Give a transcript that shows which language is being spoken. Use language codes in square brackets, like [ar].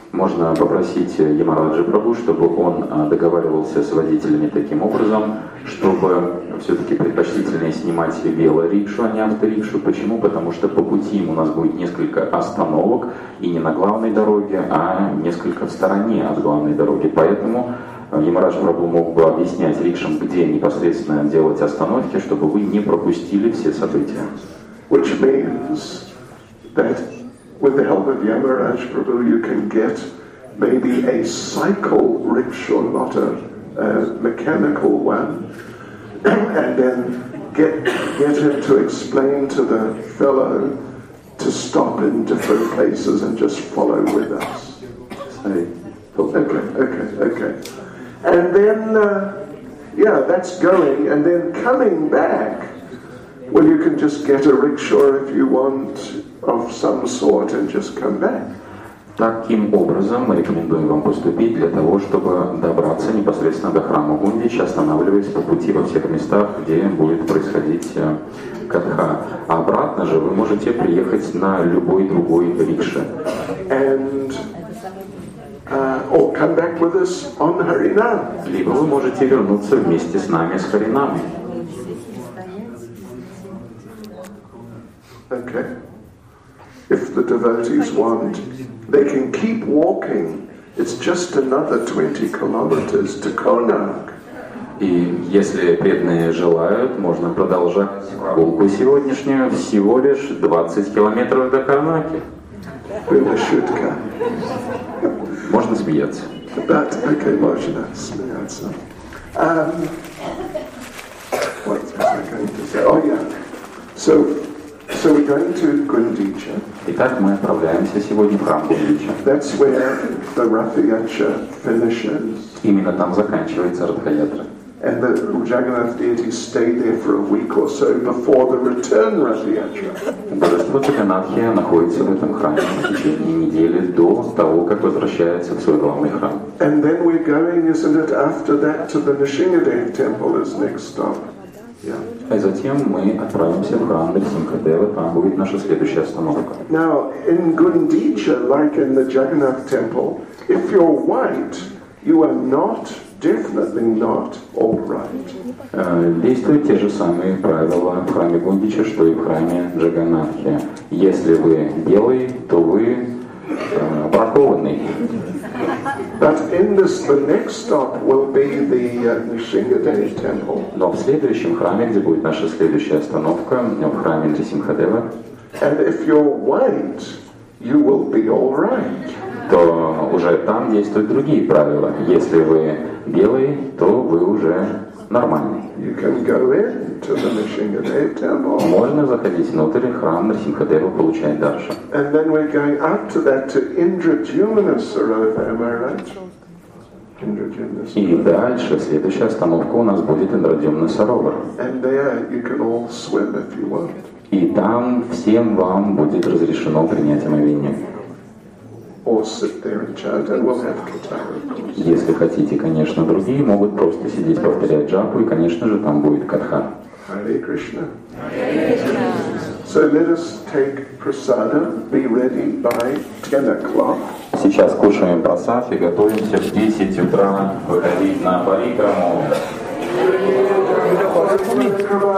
[ru] Можно попросить Ямараджи Прабху, чтобы он договаривался с водителями таким образом, чтобы все-таки предпочтительнее снимать велорикшу, а не авторикшу. Почему? Потому что по пути у нас будет несколько остановок, и не на главной дороге, а несколько в стороне от главной дороги. Поэтому Ямарадж Прабху мог бы объяснять рикшам, где непосредственно делать остановки, чтобы вы не пропустили все события. [en] Which means that with the help of Yamaraj Prabhu you can get maybe a cycle rickshaw, not a mechanical one, and then get him to explain to the fellow to stop in different places and just follow with us. Okay. And then, that's going, and then coming back, well, you can just get a rickshaw if you want of some sort and just come back. [ru] Таким образом, мы рекомендуем вам поступить для того, чтобы добраться непосредственно до храма Гундич, останавливаясь по пути во всех местах, где будет происходить катха. А обратно же вы можете приехать на любой другой рикше. [en] And or come back with us on Харинам. [ru] Либо вы можете вернуться вместе с нами с Харинамой. [en] Okay. If the devotees want, they can keep walking. It's just another 20 kilometers to Konark. [ru] И если преданные желают, можно продолжать прогулку сегодняшнюю. Всего лишь 20 километров до Карнаки. Была шутка. Можно смеяться. [en] But, okay, [ru] можно смеяться. [en] What was I going to say? Oh, yeah. So we're going to Gundicha. [ru] Итак, мы отправляемся сегодня в храм Гундича. [en] That's where the Ратха-ятра finishes. [ru] Именно там заканчивается Ратха-ятра. [en] And the Jagannath deity stayed there for a week or so before the return Ратха-ятра. [ru] Божество Джаганатхи находится в этом храме в течение недели до того, как возвращается в свой главный храм. [en] And then we're going, isn't it, after that to the Nrisimhadev temple as next stop. Yeah. [ru] А затем мы отправимся в храм Нрисимхадева, там будет наша следующая остановка. [en] Now, in Gundicha, like in the Jagannath temple, if you're white, you are not, definitely not, all right. [ru] Действуют те же самые правила в храме Гундича, что и в храме Джаганатхи. Если вы белый, то вы бракованный. [en] But in this, the next stop will be the Nrisimhadev temple. [ru] Но в следующем храме, где будет наша следующая остановка, в храме Нрисимхадева. [en] And if you're white, you will be all right. [ru] То уже там действуют другие правила. Если вы белый, то вы уже нормальный. [en] You can go in to the Nrisimhadev temple. [ru] Можно заходить внутрь храма Нрисимхадева, получая дарша. [en] And then we're going up to that to Indrajumna Sarovar, am I right? [ru] И дальше, следующая остановка у нас будет Индрадьюмна Саровар. [en] And there you can all swim if you want. [ru] И там всем вам будет разрешено принять омовение. [en] Or sit there and chant, and we'll have Katha. [ru] Если хотите, конечно, другие могут просто сидеть, повторять джапу, и, конечно же, там будет катха. [en] Hare Krishna. Hare Krishna. So let us take prasada, be ready by 10 o'clock. [ru] Сейчас кушаем прасад и готовимся в 10 утра выходить на парикраму.